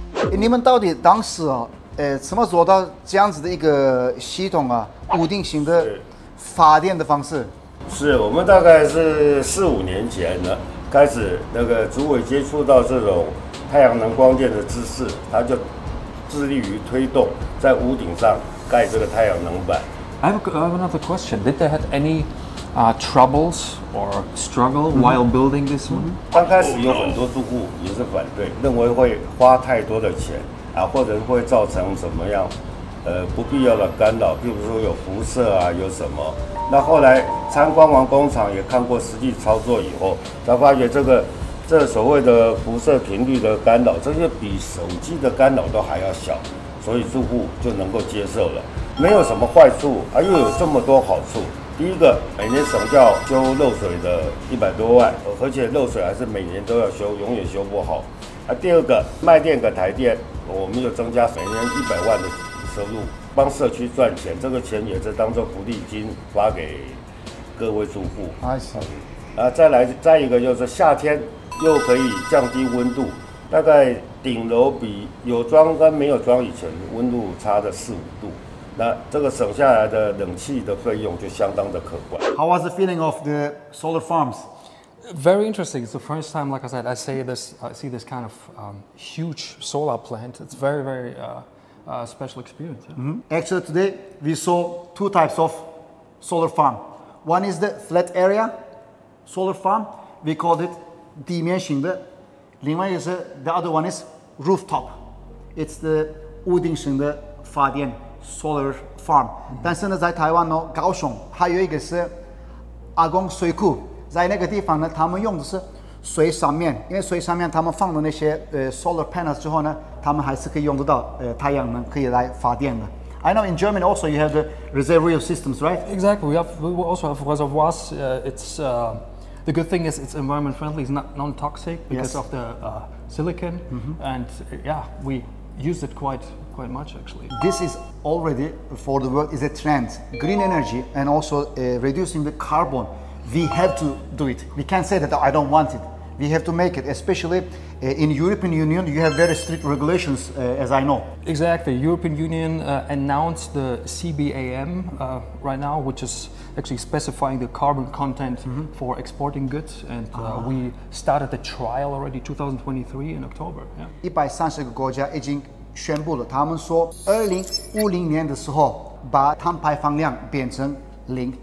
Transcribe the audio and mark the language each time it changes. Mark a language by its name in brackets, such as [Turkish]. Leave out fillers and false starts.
[Chinese] 你们到底当时啊，怎么做到这样子的一个系统啊，固定型的发电的方式？是我们大概是四五年前了，开始那个组委接触到这种太阳能光电的知识，他就。致力于推动在屋顶上盖这个太阳能板。 [English] I have another question. Did they have any troubles or struggle while building this one? [Chinese] 刚开始有很多住户也是反对，认为会花太多的钱啊，或者会造成怎么样不必要的干扰，比如说有辐射啊，有什么。那后来参观完工厂，也看过实际操作以后，才发觉这所谓的辐射频率的干扰，这些比手机的干扰都还要小，所以住户就能够接受了。没有什么坏处，而又有这么多好处。第一个，每年省掉修漏水的100多万，而且漏水还是每年都要修，永远修不好。啊，第二个，卖电给台电，我们就增加每年100万的收入，帮社区赚钱。这个钱也是当作福利金发给各位住户。啊，再来，再一个就是夏天。又可以降低温度，大概顶楼比有装跟没有装以前温度差的4-5度，那这个省下来的冷气的费用就相当的可观。 [English] How was the feeling of the solar farms? Very interesting. It's the first time, like I said, I see this kind of huge solar plant. It's very, very special experience. Yeah. Mm-hmm. Actually, today we saw two types of solar farm. One is the flat area solar farm. We called it. 地面型的，另外也是 the other one is rooftop, it's the 屋顶型的发电 solar farm.、Mm-hmm. [Chinese] 但是呢，在台湾呢，高雄还有一个是阿公水库，在那个地方呢，他们用的是水上面，因为水上面他们放了那些solar panels 之后呢，他们还是可以用得到太阳能可以来发电的。 [English] I know in Germany also you have the reservoir systems, right? Exactly, we also have reservoirs. The good thing is it's environment friendly, it's not non-toxic because of the silicon, and we use it quite much actually. This is already for the world is a trend. Green energy and also reducing the carbon, we have to do it. We can't say that I don't want it. We have to make it, especially in European Union, you have very strict regulations, as I know. Exactly. European Union announced the CBAM right now, which is actually specifying the carbon content for exporting goods. And we started the trial already 2023 in October. [Chinese] 130个国家已经宣布了，他们说2050年的时候把碳排放量变成零。